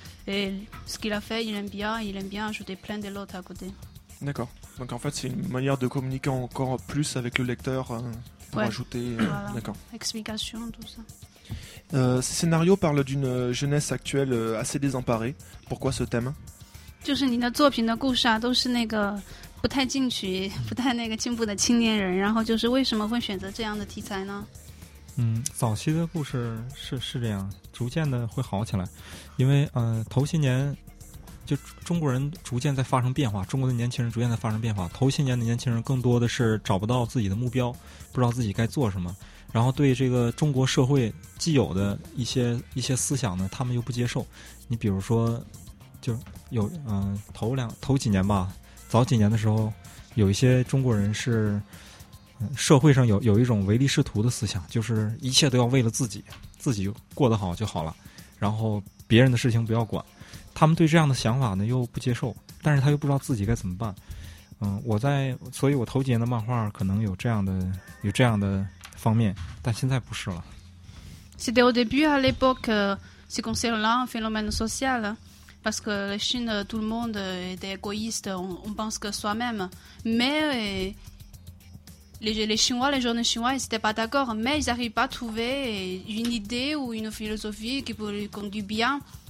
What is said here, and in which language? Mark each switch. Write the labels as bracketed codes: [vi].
[fr] Et ce qu'il a fait, il aime bien ajouter plein de notes à côté. D'accord. Donc en fait, c'est une manière de communiquer encore plus avec le lecteur pour ajouter... Voilà. D'accord. Explication, tout ça. Ce scénario parle d'une jeunesse actuelle assez désemparée. Pourquoi ce thème ? [zh] 就是你的作品的故事啊，都是那个不太进取，不太那个进步的青年人。然后就是为什么会选择这样的题材呢？早期的故事是这样，逐渐的会好起来。因为头些年就中国人逐渐在发生变化，中国的年轻人逐渐在发生变化。头些年的年轻人更多的是找不到自己的目标，不知道自己该做什么，然后对这个中国社会既有的一些思想呢，他们又不接受。你比如说，就有头几年吧，早几年的时候，有一些中国人是社会上有一种唯利是图的思想，就是一切都要为了自己过得好就好了，然后别人的事情不要管。他们对这样的想法呢又不接受，但是他又不知道自己该怎么办。所以我头几年的漫画可能有这样的方面，但现在不是了。 [fr] C'était au début à l'époque, c'est concernant un phénomène social, parce que la Chine, tout le monde est égoïste, on pense que soi-même. Les Chinois, les jeunes Chinois, ils n'étaient pas d'accord, mais ils n'arrivent pas à trouver une idée ou une philosophie qui peut les conduire bien.